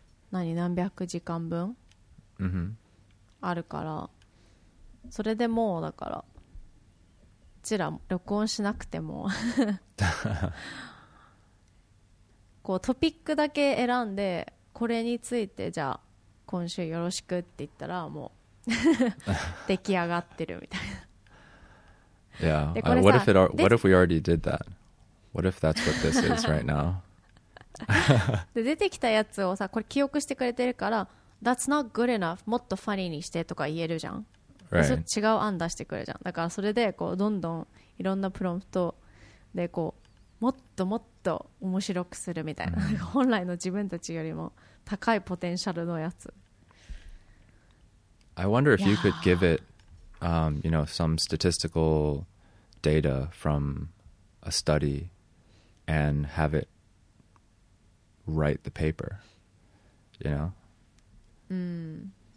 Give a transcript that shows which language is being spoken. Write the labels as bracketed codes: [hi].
[ja] 何何百時間分あるから、それでもうだからうちら録音しなくてもこうトピックだけ選んでこれについてじゃあ今週よろしくって言ったらもう出来上がってるみたいな。 [en] Yeah, [ja] これさ、 [en] what if it are, what if we already did that? What if that's what this is right now? [ja] で出てきたやつをさ、これ記憶してくれてるから [en] That's not good enough [ja] もっとファニーにしてとか言えるじゃん、 [en] right. [ja] で違う案出してくれるじゃん。だからそれでこうどんどんいろんなプロンプトでこうもっともっと面白くするみたいな、mm-hmm. 本来の自分たちよりも高いポテンシャルのやつ。 [en] I wonder if you could give it, you know, some statistical data from a study and have it write the paper, you know? Mm.